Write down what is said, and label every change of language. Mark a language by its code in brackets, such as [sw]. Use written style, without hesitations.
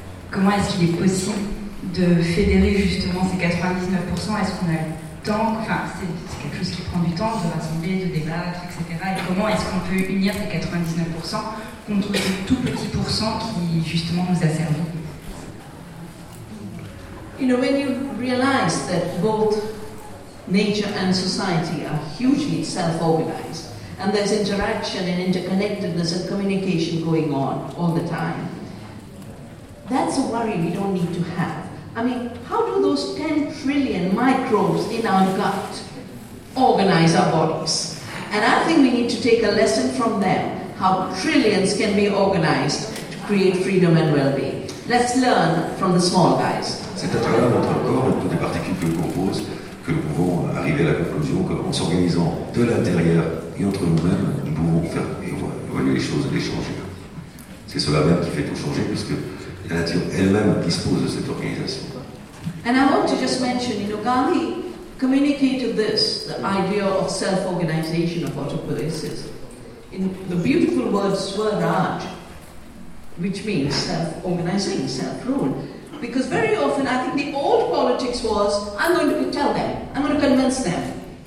[fr] Comment est-ce qu'il est possible de fédérer justement ces 99%? Est-ce qu'on a le temps? Enfin, c'est quelque chose qui prend du temps de rassembler, de débattre, etc. Et comment est-ce qu'on peut unir ces 99% contre ce tout petit pourcent qui justement nous a servi? [en] You know, when you realize that both nature and society are hugely self-organized, and there's interaction and interconnectedness and communication going on all the time, that's a worry we don't need to have. I mean, how do those 10 trillion microbes in our gut organize our bodies? And I think we need to take a lesson from them, how trillions can be organized to create freedom and well-being. Let's learn from the small guys. [fr] C'est à travers notre corps, toutes les particules que nous composent, que nous pouvons arriver à la conclusion qu'en s'organisant de l'intérieur et entre nous-mêmes, nous pouvons faire et évoluer les choses, les changer. C'est cela même qui fait tout changer, puisque la nature elle-même dispose de cette organisation. [en] And I want to just mention, you know, Gandhi communicated this, the idea of self-organization of autopoiesis, in the beautiful word Swaraj, which means self-organizing, self-rule. Because very often, I think the old politics was, I'm going to tell them, I'm going to convince them.